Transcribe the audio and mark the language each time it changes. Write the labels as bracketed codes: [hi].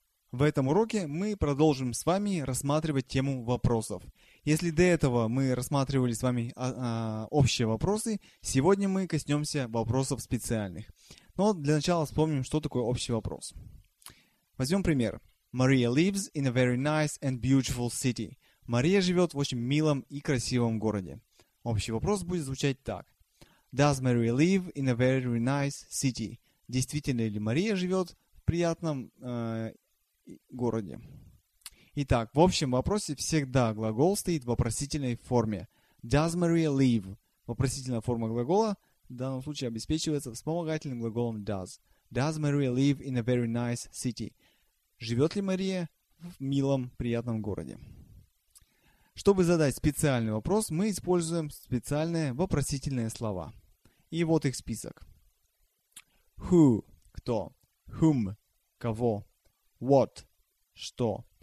[ru] В этом уроке мы продолжим с вами рассматривать тему вопросов. Если до этого мы рассматривали с вами общие вопросы, сегодня мы коснемся вопросов специальных. Но для начала вспомним, что такое общий вопрос. Возьмем пример. [en] Maria lives in a very nice and beautiful city. [ru] Мария живет в очень милом и красивом городе. Общий вопрос будет звучать так. [en] Does Maria live in a very nice city? [ru] Действительно ли Мария живет в приятном городе? Итак, в общем вопросе всегда глагол стоит в вопросительной форме. [en] Does Maria live? [ru] Вопросительная форма глагола в данном случае обеспечивается вспомогательным глаголом does. [en] Does Maria live in a very nice city? [ru] Живет ли Мария в милом, приятном городе? Чтобы задать специальный вопрос, мы используем специальные вопросительные слова. И вот их список. Who – кто. Whom – кого. What – что.